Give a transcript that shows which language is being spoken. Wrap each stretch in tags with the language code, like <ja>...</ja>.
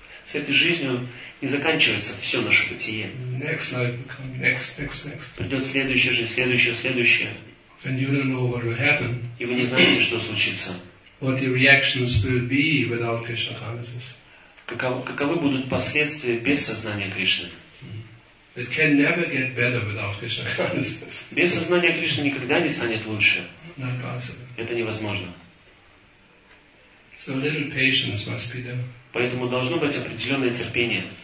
<ru>С этой жизнью не заканчивается все наше бытие.</ru> <en>Next life will come. Next.</en> <ru>Придет следующая жизнь, следующая.</ru> <en>And you don't know what will happen.</en> <ru>И вы не знаете, что случится.</ru> <en>What the reactions will be without Krishna consciousness?</en> <ru>Каковы будут последствия без сознания Кришны?</ru> <en>It can never get better without Krishna consciousness.</en> <ru>Без сознания Кришны никогда не станет лучше.</ru> <en>Not possible.</en> <ru>Это невозможно.</ru> <en>So a little patience must be there.</en> <ru>Поэтому должно быть определенное терпение.</ru>